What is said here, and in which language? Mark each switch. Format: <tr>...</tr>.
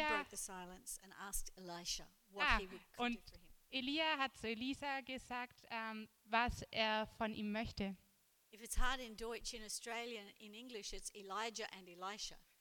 <en>Elijah broke the silence and asked Elisha what he would do for him.</en> <de>Elia hat zu Elisa gesagt, was er von ihm möchte.</de> <en>If it's hard in Deutsch, in Australian, in English, it's Elijah and Elisha.</en>